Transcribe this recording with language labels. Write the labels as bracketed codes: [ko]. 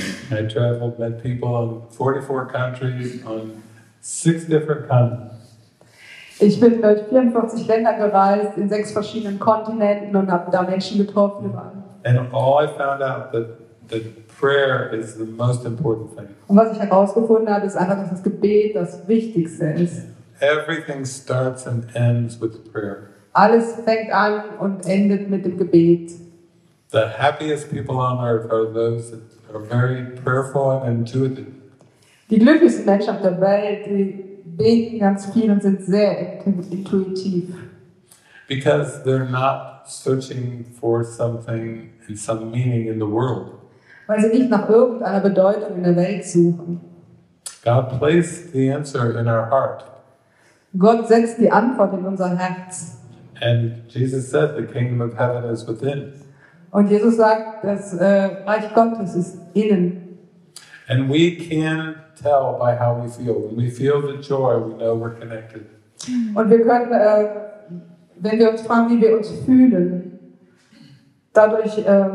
[en] I traveled, met people in 44 countries on 6 different continents. [de] Ich bin durch 44 Länder gereist, in 6 verschiedenen Kontinenten und habe da Menschen getroffen. [en] And all I found out that prayer is the most important thing. [de] Und was ich herausgefunden habe, ist einfach, dass das Gebet das Wichtigste ist. [en] Everything starts and ends with prayer. [de] Alles fängt an und endet mit dem Gebet. [en] The happiest people on earth are those that are very prayerful and intuitive. [de] Die glücklichsten Menschen auf der Welt, die beten ganz viel und sind sehr intuitiv. [en] Because they're not searching for something and some meaning in the world. [de] Weil sie nicht nach irgendeiner Bedeutung in der Welt suchen. [en] God placed the answer in our heart. [de] Gott setzt die Antwort in unser Herz. [en] And Jesus said, the kingdom of heaven is within. [de] Und Jesus sagt, das Reich Gottes ist innen. [en] And we can tell by how we feel. When we feel the joy, we know we're connected. [de] Und wir können, wenn wir uns fragen, wie wir uns fühlen, dadurch.